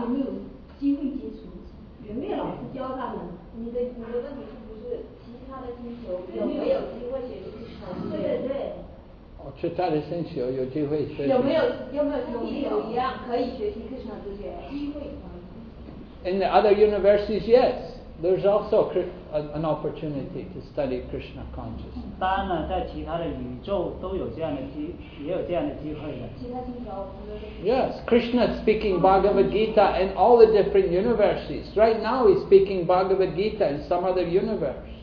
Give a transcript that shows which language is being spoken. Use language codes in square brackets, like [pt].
[zh] 有没有机会接触？有没有老师教他们？你的问题是不是其他的星球有没有机会学习？对对对。哦，其他的星球有机会学习？有没有地球一样可以学习克什那知觉？机会。 [en] In the other universes, yes. There's also an opportunity to study Krishna consciousness. [zh] 当然，在其他的宇宙都有这样的机会的。其他星球，对不对？Yes, [en] Krishna speaking Bhagavad Gita in all the different universes. Right now, he's speaking Bhagavad Gita in some other universe.